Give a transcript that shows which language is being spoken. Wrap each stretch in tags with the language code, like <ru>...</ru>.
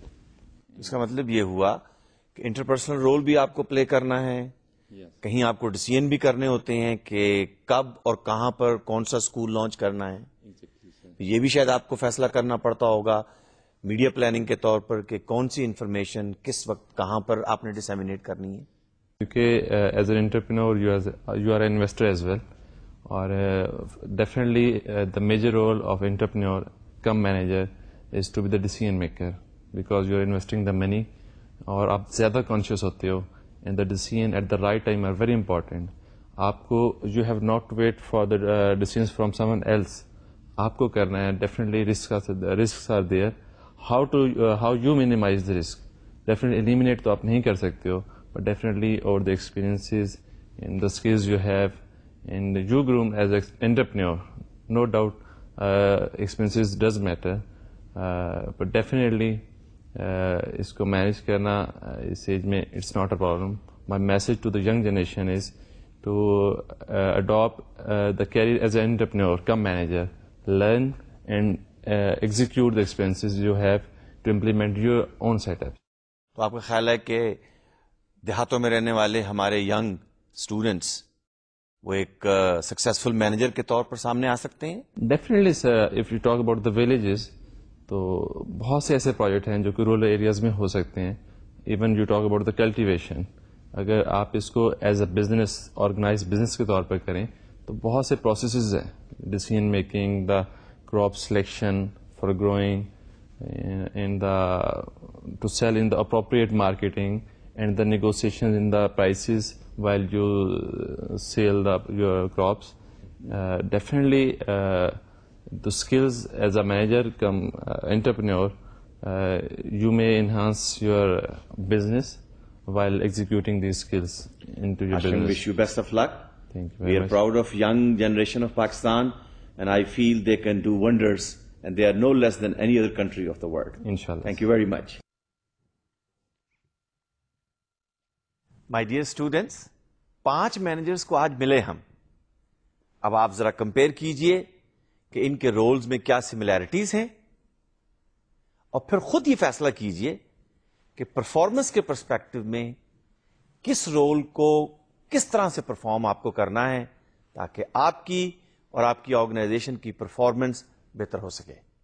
<ur>اس کا مطلب یہ ہوا کہ انٹرپرسنل رول بھی آپ کو پلے کرنا ہے, کہیں آپ کو ڈیسیژن بھی کرنے ہوتے ہیں کہ کب اور کہاں پر کون سا اسکول لانچ کرنا ہے, یہ بھی شاید آپ کو فیصلہ کرنا پڑتا ہوگا میڈیا پلاننگ کے طور پر کہ کون سی انفارمیشن کس وقت کہاں پر آپ نے ڈسمینیٹ کرنی ہے,</ur> <en>کیونکہ as an entrepreneur you are investor as well, اور definitely the major role of entrepreneur come manager is to be the decision maker, because you are investing the money,</en> <ur>اور آپ زیادہ کانشیس ہوتے ہو,</ur> <en>And the decision at the right time are very important.</en> <ur>آپ کو</ur> <en>you have not wait for the decision from someone else,</en> <ur>آپ کو کرنا ہے.</ur> <en>definitely risks are there, how you minimize the risk, definitely eliminate</en> <ur>to aap nahi kar sakte ho,</ur> <en>but definitely over the experiences and the skills you have and you groom as an entrepreneur, no doubt experiences does matter, but definitely</en> <ur>isko manage karna is age mein</ur> <en>it's not a problem. My message to the young generation is to adopt the career as an entrepreneur, come manager, learn and execute the expenses you have to implement your own setup.</en> <ur>تو آپ کا خیال ہے کہ دیہاتوں میں رہنے والے ہمارے ینگ اسٹوڈینٹس وہ ایک سکسیزفل مینیجر کے طور پر سامنے آ سکتے ہیں؟</ur> <en>definitely sir, if you talk about the villages</en> <ur>تو بہت سے ایسے پروجیکٹ ہیں جو کہ رورل ایریاز میں ہو سکتے ہیں.</ur> <en>even you talk about the cultivation,</en> <ur>اگر آپ اس کو as a business,</ur> <en>organise business</en> <ur>کے طور پر کریں تو بہت سے پروسیسز ہیں,</ur> <en>Decision making, the crop selection for growing, and the to sell in the appropriate marketing, and the negotiation in the prices while you sell your crops. Definitely the skills as a manager come entrepreneur, you may enhance your business while executing these skills into your Ashwin business. Ashwin, wish you best of luck. Thank you very much. We are proud of young generation of Pakistan, and I feel they can do wonders, and they are no less than any other country of the world. Inshallah. Thank you very much. My dear students,</en> <ur>پانچ managers کو آج ملے ہم. اب آپ ذرا compare کیجئے کہ ان کے رولز میں کیا سملیرٹیز ہیں, اور پھر خود یہ فیصلہ کیجئے کہ پرفارمنس کے پرسپیکٹو میں کس رول کو کس طرح سے پرفارم آپ کو کرنا ہے تاکہ آپ کی اور آپ کی آرگنائزیشن کی پرفارمنس بہتر ہو سکے.</ur>